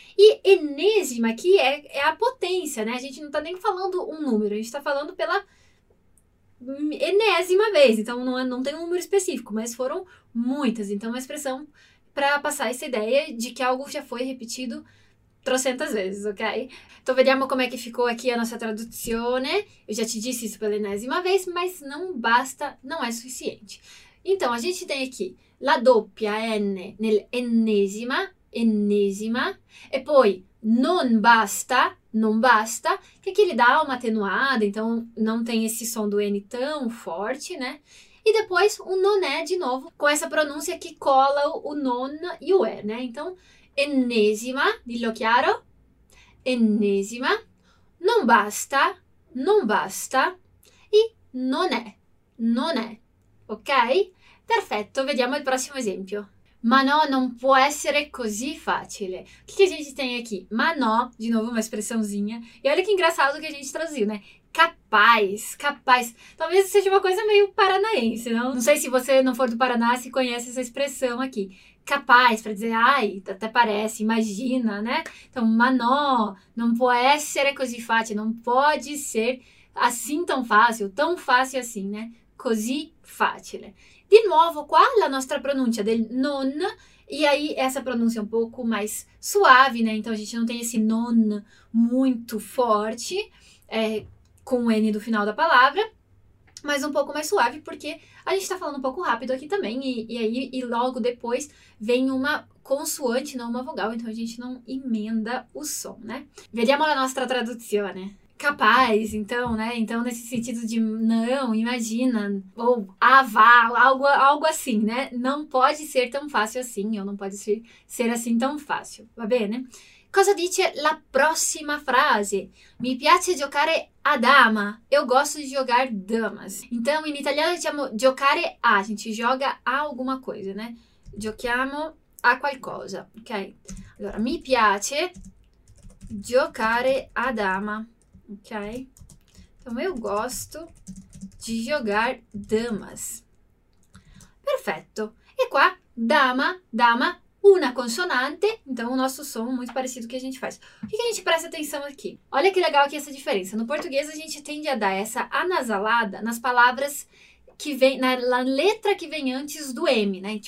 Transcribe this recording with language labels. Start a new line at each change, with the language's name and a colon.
Portuguese: E enésima aqui é a potência, né? A gente não tá nem falando um número, a gente tá falando pela enésima vez, então não tem um número específico, mas foram muitas. Então, uma expressão para passar essa ideia de que algo já foi repetido trocentas vezes, ok? Então,
Italian: vediamo
Portuguese: como é que ficou aqui a nossa
Italian: traduzione.
Portuguese: Eu já te disse isso pela enésima vez, mas não basta, não é suficiente. Então, a gente tem aqui
Italian: la doppia N nel enésima, enésima, e poi non basta.
Portuguese: Non basta, que aqui ele dá uma atenuada, então não tem esse som do N tão forte, né? E depois o nonè de novo, com essa pronúncia que cola o non e o E, né? Então, enésima,
Italian: dillo chiaro,
Portuguese: enésima, non basta, non basta, e nonè, nonè, ok?
Italian: Perfetto, vediamo il prossimo esempio. Ma no, non può essere così facile.
Portuguese: O que a gente tem aqui?
Italian: Ma no,
Portuguese: de novo uma expressãozinha. E olha que engraçado que a gente traduziu, né? Capaz, capaz. Talvez seja uma coisa meio paranaense, não? Não sei se você não for do Paraná, se conhece essa expressão aqui. Capaz, para dizer, ai, até parece, imagina, né?
Italian: Então, ma no, non può essere così facile.
Portuguese: Não pode ser assim tão fácil assim, né?
Italian: Così facile. Di nuovo, qua la nostra pronúncia del non,
Portuguese: e aí essa pronúncia um pouco mais suave, né? Então a gente não tem esse non muito forte, com o N do final da palavra, mas um pouco mais suave, porque a gente tá falando um pouco rápido aqui também, e logo depois vem uma consoante, não uma vogal, então a gente não emenda o som, né?
Italian: Vediamo la nostra traduzione.
Portuguese: Capaz, então, né? Então, nesse sentido de não, imagina, ou avá, algo assim, né? Não pode ser tão fácil assim, ou não pode ser assim tão fácil,
Italian: va bene? Cosa dice la prossima frase? Mi piace giocare a dama.
Portuguese: Eu gosto de jogar damas. Então, em italiano,
Italian: diciamo giocare a,
Portuguese: gente joga a alguma coisa, né?
Italian: Giochiamo a qualcosa, ok? Allora, mi piace giocare a dama. Ok?
Portuguese: Então, eu gosto de jogar damas. Perfeito.
Italian: E qua, dama, dama, una consonante.
Portuguese: Então, o nosso som muito parecido que a gente faz. O que a gente presta atenção aqui? Olha que legal aqui essa diferença. No português, a gente tende a dar essa anasalada nas palavras que vem, na letra que vem antes do M, né?